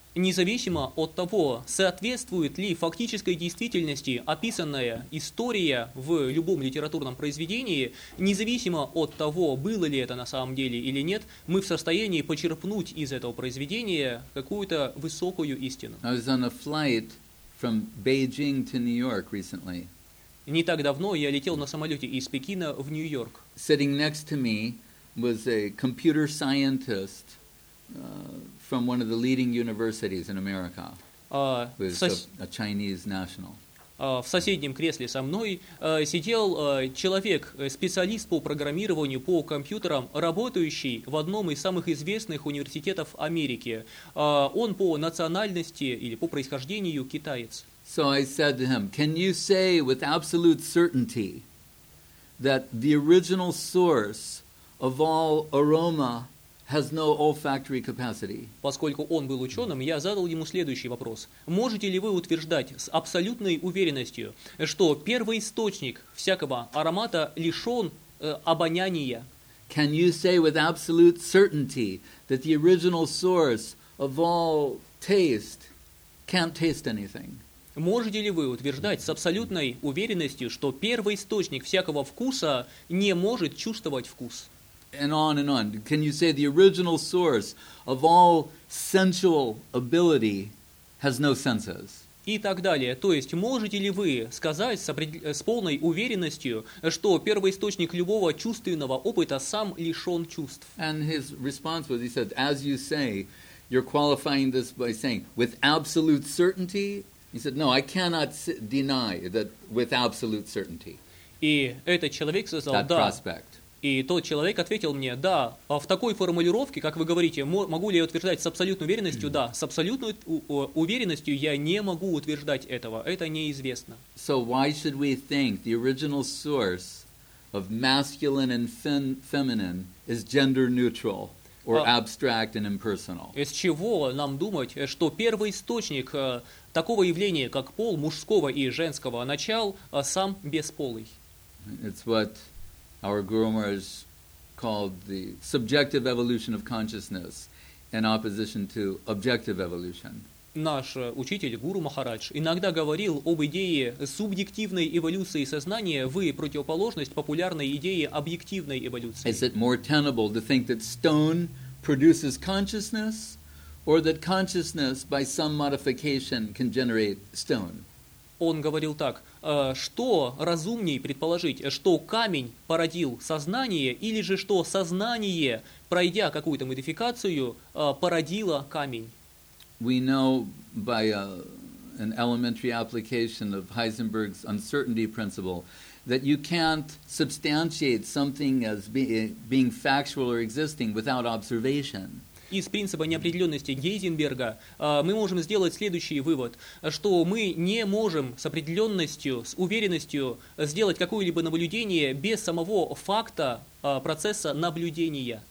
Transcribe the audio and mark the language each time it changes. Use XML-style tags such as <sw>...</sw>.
<ru>Независимо от того, соответствует ли фактической действительности описанная история в любом литературном произведении, независимо от того, было ли это на самом деле или нет, мы в состоянии почерпнуть из этого произведения какую-то высокую истину.</ru> <en>I was on a flight from Beijing to New York recently.</en> <ru>Не так давно я летел на самолете из Пекина в Нью-Йорк.</ru> <en>Sitting next to me was a computer scientist, from one of the leading universities in America, a Chinese national.</en> <ru>В соседнем кресле со мной сидел человек, специалист по программированию по компьютерам, работающий в одном из самых известных университетов Америки. Он по национальности или по происхождению китаец.</ru> <en>So I said to him, "Can you say with absolute certainty that the original source of all aroma has no olfactory capacity?"</en> <ru>Поскольку он был ученым, я задал ему следующий вопрос. Можете ли вы утверждать с абсолютной уверенностью, что первый источник всякого аромата лишен обоняния?</ru> <en>Can you say with absolute certainty that the original source of all taste can't taste anything?</en> <ru>Можете ли вы утверждать с абсолютной уверенностью, что первый источник всякого вкуса не может чувствовать вкус?</ru> <en>And on and on. Can you say the original source of all sensual ability has no senses?</en> <ru>И так далее. То есть, можете ли вы сказать с полной уверенностью, что первоисточник любого чувственного опыта сам лишен чувств?</ru> <en>And his response was, he said, as you say, you're qualifying this by saying, with absolute certainty? He said, no, I cannot deny that with absolute certainty.</en> <ru>И этот человек сказал, да. И тот человек ответил мне, да, в такой формулировке, как вы говорите, могу ли я утверждать с абсолютной уверенностью, да, с абсолютной уверенностью я не могу утверждать этого, это неизвестно.</ru> <en>So why should we think the original source of masculine and feminine is gender neutral or abstract and impersonal?</en> <ru>Из чего нам думать, что первый источник такого явления, как пол мужского и женского начал, сам бесполый?</ru> <en>It's what our Guru Maharaj called the subjective evolution of consciousness in opposition to objective evolution.</en> <ru>Наш учитель Гуру Махарадж иногда говорил об идее субъективной эволюции сознания в противоположность популярной идее объективной эволюции.</ru> <en>Is it more tenable to think that stone produces consciousness or that consciousness by some modification can generate stone?</en> <ru>Он говорил так, что разумнее предположить, что камень породил сознание, или же что сознание, пройдя какую-то модификацию, породило камень?</ru> <en>We know by an elementary application of Heisenberg's uncertainty principle that you can't substantiate something as being factual or existing without observation.</en> <ru>Из принципа неопределенности Гейзенберга мы можем сделать следующий вывод, что мы не можем с определенностью, с уверенностью сделать какое-либо наблюдение без самого факта процесса наблюдения.</ru>